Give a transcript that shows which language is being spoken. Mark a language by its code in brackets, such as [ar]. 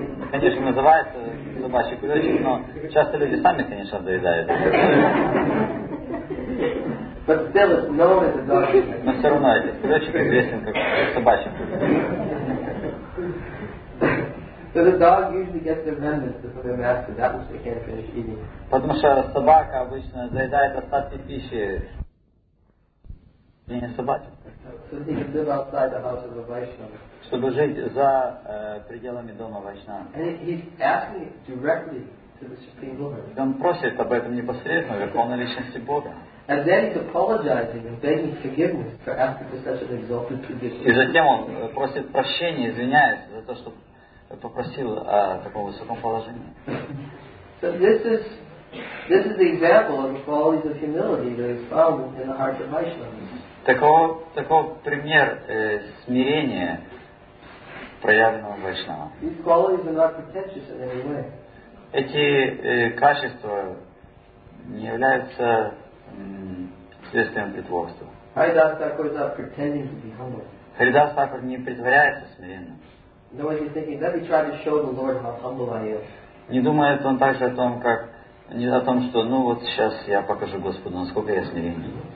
[ru] Конечно, называется собачий кулечек, но часто люди сами, конечно, доедают. Но все равно этот кулечек известен как собачий кулечек. [en] So the dog usually gets the remnants for their master. That which they can't finish eating. [ru] Потому что собака обычно заедает остатки пищи. Не собачья. [en] So they can live outside the house of a Vaishnava. [ru] Чтобы жить за пределами дома Вайшнава. [en] And he's asking directly to the Supreme Lord. [ru] Он просит об этом непосредственно, верховной личности Бога. [en] And then he's apologizing and begging forgiveness for asking for such an exalted position. [ru] И затем он просит прощения, извиняется за то, что попросил о таком высоком положении. [en] So this is the example of the qualities of humility that is found in the heart of Vaishnavas. [ru] Такого пример смирения, проявленного Вайшнава. [en] These qualities are not pretentious in any way. [ru] Эти качества не являются следствием притворства. [en] Haridas Thakur is not pretending to be humble. [ru] Haridas Thakur не притворяется смиренно. [en] No, he's thinking, let me try to show the Lord how humble I am. [ru] Не думает он также о том, как не о том, что ну вот сейчас я покажу Господу, насколько я смиренен.